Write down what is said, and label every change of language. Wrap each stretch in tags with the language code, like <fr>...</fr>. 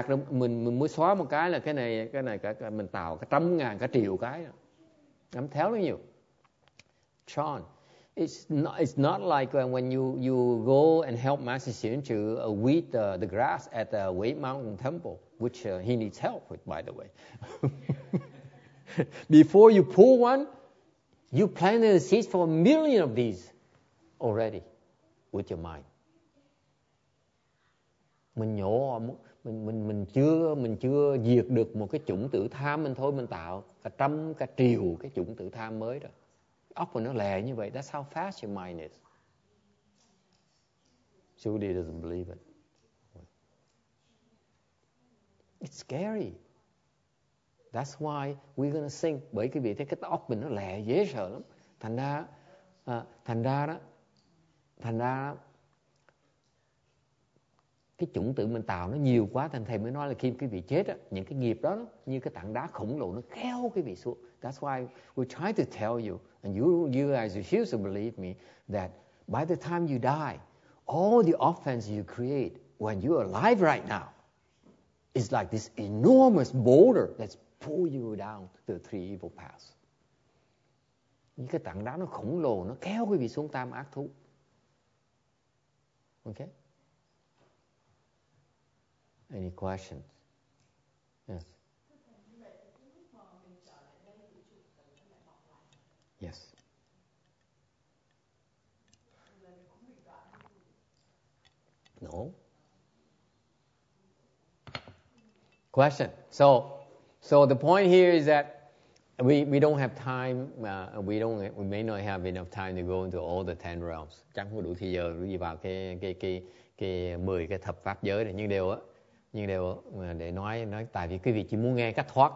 <vi>Mình mới xóa một cái là cái này cả mình tạo cả trăm ngàn cả triệu cái rồi. Nắm theo nó nhiều.</vi> <en>John, it's not like when you go and help Master Xuyến to weed the grass at the Wei Mountain Temple. Which he needs help with, by the way. Before you pull one, you planted the seeds for a million of these already with your mind.</en> <vi>Mình chưa diệt được một cái chủng tử tham mình thôi, mình tạo cả trăm cả triệu cái chủng tử tham mới rồi. Óc mình nó lè như vậy.</vi> <en>That's how fast your mind is. Judy doesn't believe it. It's scary. That's why we're gonna sing.</en> <vi>Bởi vì cái óc mình nó lẹ dễ sợ lắm. Thành ra đó, cái chủng tử mình tạo nó nhiều quá. Thành thầy mới nói là khi cái vị chết á, những cái nghiệp đó nó như cái tảng đá khổng lồ nó kéo cái vị xuống.</vi> <en>That's why we try to tell you, and you guys refuse to believe me, that by the time you die, all the offense you create when you're alive right now. It's like this enormous boulder that's pull you down the three evil paths.</en> <vi>Những cái tảng đá nó khổng lồ, nó kéo quý vị xuống tam ác thú.</vi> <en>Okay? Any questions? Yes. Yes. No. Question. So the point here is that we don't have time. We may not have enough time to go into all the 10 realms.</en> <vi>Chẳng có đủ thời giờ đi vào cái 10 cái thập pháp giới này. Nhưng đều để nói. Tại vì quý vị chỉ muốn nghe cách thoát.</vi>